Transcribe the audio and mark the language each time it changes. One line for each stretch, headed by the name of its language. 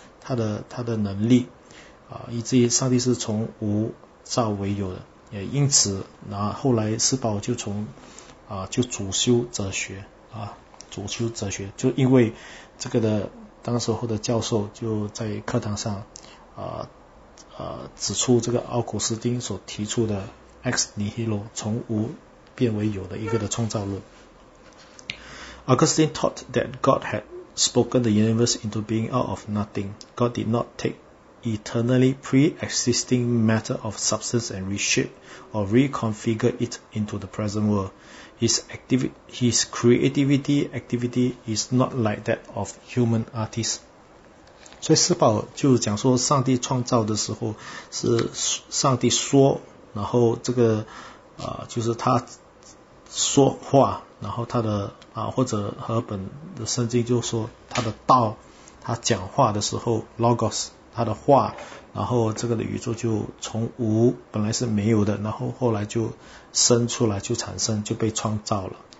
Chinese: 他的能力以至于上帝是从无造为有的，也因此后来斯宝就主修哲学主修哲学，就因为这个的当时候的教授就在课堂上指出这个奥古斯丁所提出的 ex nihilo 从无变为有的一个的创造论。
English: Augustine taught that God hadspoken the universe into being out of nothing. God did not take eternally pre-existing matter of substance and reshape or reconfigure it into the present world. His creativity activity is not like that of human artists.
Chinese: 所以斯宝就讲说上帝创造的时候是上帝说，然后这个就是他说话，然后他的或者和本的圣经就说他的道，他讲话的时候 Logos 他的话，然后这个的宇宙就从无本来是没有的，然后后来就生出来，就产生，就被创造了。